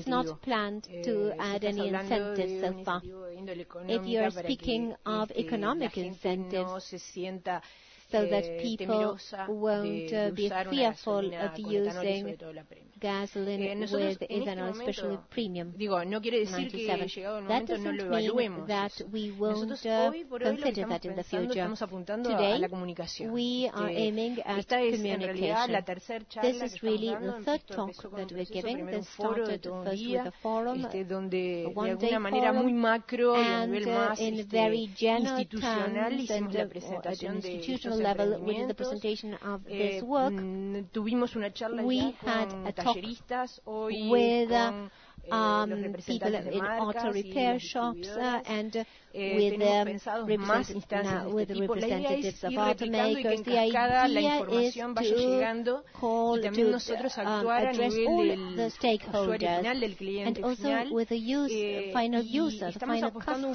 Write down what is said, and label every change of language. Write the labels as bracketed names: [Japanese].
[English] It's not planned to add any incentives so far. If you're speaking of economic incentives, so that people won't be fearful of using gasoline with ethanol, especially premium. [Spanish] No quiere decir que llegado el momento no lo evaluemos. [English] That we won't consider that in the future. [Spanish] Estamos apuntando a la comunicación. [English] We are aiming at communication. This is really the third talk that we're giving. This started first with a forum, [Spanish] donde de alguna manera muy macro y a nivel más institucional hicimos la presentación de [English] level with the presentation of this work. [Spanish] Tuvimos una charla ya con tallerista hoy con [English] people in auto repair shops and with representatives of automakers. The idea is to call to address all the stakeholders and also with the use, final user, the final customer.